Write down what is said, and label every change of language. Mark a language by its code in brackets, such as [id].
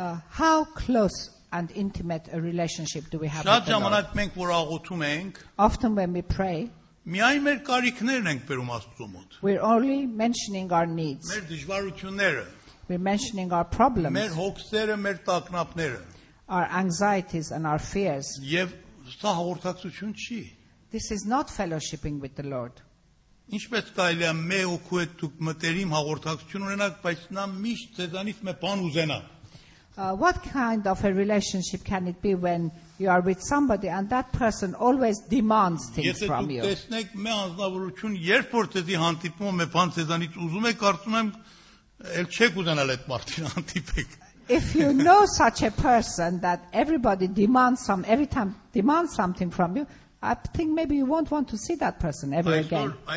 [en] How close and intimate a relationship do we have with the Lord? [hy] Մենք, որ աղոթում ենք, [en] often when we pray, [hy] միայն մեր կարիքներն ենք բերում Աստծո մոտ. [en] We're only mentioning our needs. [hy] Մեր դժվարությունները. [en] We're mentioning our problems. [hy] Մեր հոգսերը, մեր տակնապները. [en] Our anxieties and our fears. [hy] Եվ սա հաղորդակցություն չի. [en] This is not fellowshipping with the Lord. [hy] Ինչպես կարելի է մեր հոգու հետ դուք մտերիմ հաղորդակցություն ունենաք, բայց նա միշտ ձեզանից մի բան ուզենա. [en] What kind of a relationship can it be when you are with somebody and that person always demands things from you? If you know such a person that everybody demands some every time demands something from you, I think maybe you won't want to see that person ever again.